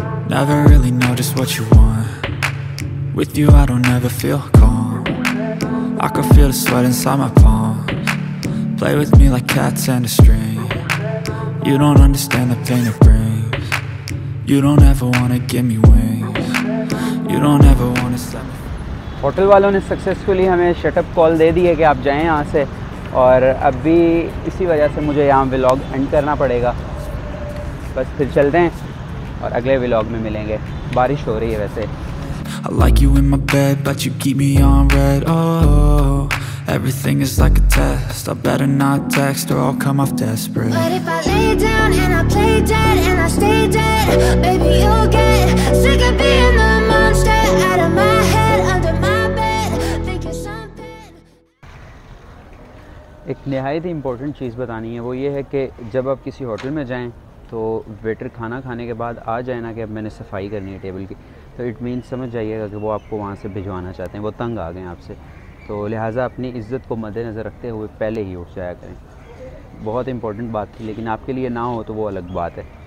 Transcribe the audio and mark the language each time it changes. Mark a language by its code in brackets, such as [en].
[en] Never really know just what you want. With you I don't ever feel calm. I can feel the sweat inside my palms. Play with me like cats and a string. You don't understand the pain it brings. You don't ever wanna give me wings. You don't ever wanna step me. [hi] Hotel वालों ने successfully हमें shut up call दे दिए कि आप जाएं यहाँ से, और अभी इसी वजह से मुझे यहाँ व्लॉग एंड करना पड़ेगा। बस फिर चलते हैं और अगले व्लॉग में मिलेंगे। बारिश हो रही है वैसे। [en] I like you in my bed, but you keep me on red. Oh, everything is like a test. I better not text or I'll come off desperate. But if I lay down and I play dead and I stay dead, baby, you'll get sick of being the monster out of my head, under my bed, thinking something. [hi] एक निहायत ही important चीज़ बतानी है, वो ये है कि जब आप किसी होटल में जाएं तो वेटर खाना खाने के बाद आ जाए ना कि अब मैंने सफाई करनी है टेबल की, तो [en] it mean [hi] समझ जाइएगा कि वो आपको वहाँ से भिजवाना चाहते हैं, वो तंग आ गए आपसे। तो लिहाजा अपनी इज्जत को मद्देनज़र रखते हुए पहले ही उठ जाया करें, बहुत इंपॉर्टेंट बात थी। लेकिन आपके लिए ना हो तो वो अलग बात है।